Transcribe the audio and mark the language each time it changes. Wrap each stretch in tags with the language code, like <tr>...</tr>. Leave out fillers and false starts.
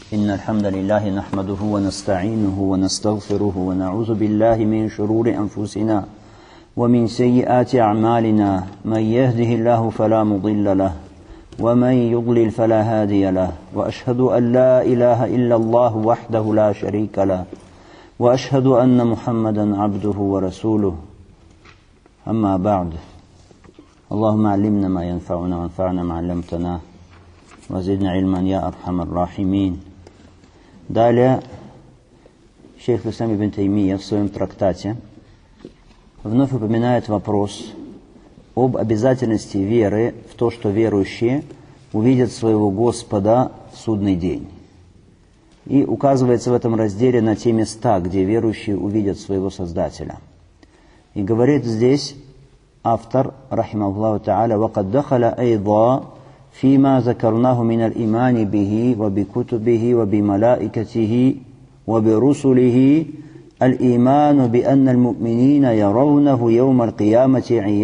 <ar>إن الحمد لله نحمده ونستعينه ونستغفره ونعوذ بالله من شرور أنفسنا ومن سيئات أعمالنا، من يهده الله فلا مضل له ومن يضلل فلا هادي له، وأشهد أن لا إله إلا الله وحده لا شريك له، وأشهد أن محمدا عبده ورسوله. أما بعد، اللهم علمنا ما ينفعنا وانفعنا ما علمتنا وزدنا علما يا أرحم الراحمين.</ar> <ru>Далее шейх Ислам ибн Таймия в своем трактате вновь упоминает вопрос об обязательности веры в то, что верующие увидят своего Господа в судный день. И указывается в этом разделе на те места, где верующие увидят своего Создателя. И говорит здесь автор, рахимахуллаху тааля,</ru> <ar>وَقَدْ دَخَلَ أَيْضًا فيما ذكرناه من الإيمان به وبكتبه وبملائكته وبرسله الإيمان بأن المؤمنين يرونه يوم القيامة</ar>